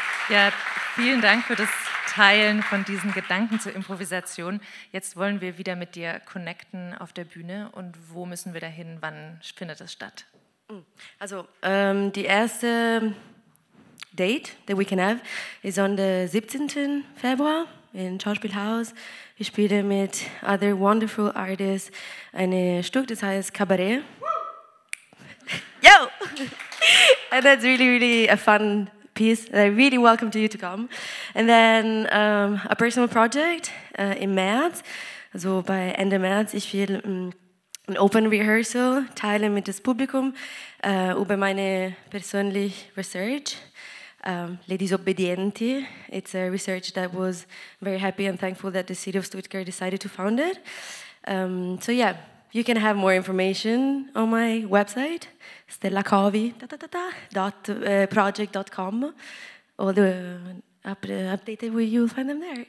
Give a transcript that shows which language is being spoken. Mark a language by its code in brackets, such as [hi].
[de] Ja, vielen Dank für das Teilen von diesen Gedanken zur Improvisation. Jetzt wollen wir wieder mit dir connecten auf der Bühne. Und wo müssen wir dahin? Wann findet es statt? Also, die erste [en] Date that we can have is on the 17. [de] Februar in Schauspielhaus. Ich spiele mit [en] other wonderful artists [de] ein Stück, das heißt Cabaret. [en] Yo! And that's really, really a fun piece. And I really welcome to you to come. And then a personal project [de] im März, also bei Ende März. Ich will ein Open Rehearsal teilen mit das Publikum über meine persönliche Research. [it] Le Disobbedienti. [en] It's a research that was very happy and thankful that the city of Stuttgart decided to found it. So yeah, you can have more information on my website, stellacovi.project.com. All the updated where you'll find them there.